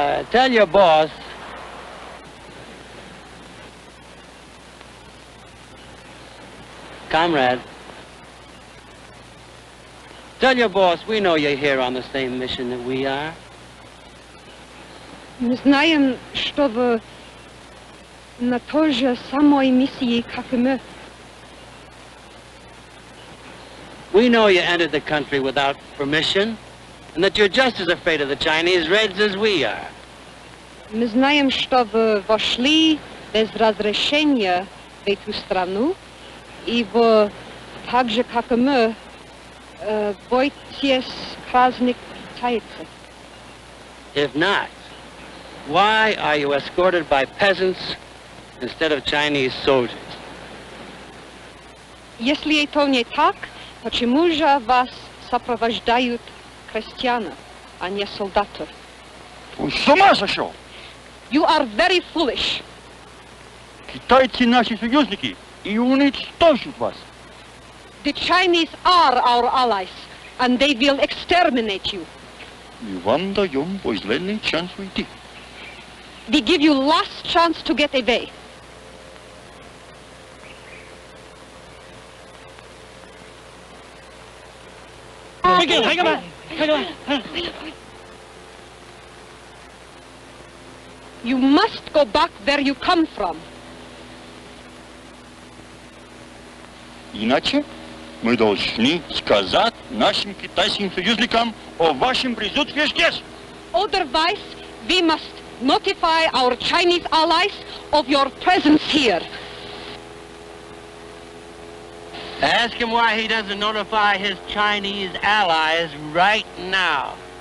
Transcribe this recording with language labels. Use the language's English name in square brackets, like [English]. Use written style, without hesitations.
[English] Tell your boss comrade. Tell your boss, we know you're here on the same mission that we are. [Russian] Мы знаем, что вы на той же самой миссии, как и мы. [English] We know you entered the country without permission, and that you're just as afraid of the Chinese Reds as we are. [Russian] Мы знаем, что вы вошли без разрешения в эту страну, и вы так же, как и мы, боитесь праздник китайцев. [English] If not, why are you escorted by peasants instead of Chinese soldiers? [Russian] Если это не так, почему же вас сопровождают крестьяне, а не солдаты? Он с ума сошел! [English] You are very foolish. [Russian] Китайцы наши союзники и уничтожат вас. [English] The Chinese are our allies, and they will exterminate you. [Russian] Мы вам даем последний шанс уйти. [English] We give you last chance to get away. You must go back where you come from. [Russian] Иначе мы должны сказать нашим китайским союзникам о вашем присутствии здесь. [English] Otherwise, we must notify our Chinese allies of your presence here. Ask him why he doesn't notify his Chinese allies right now.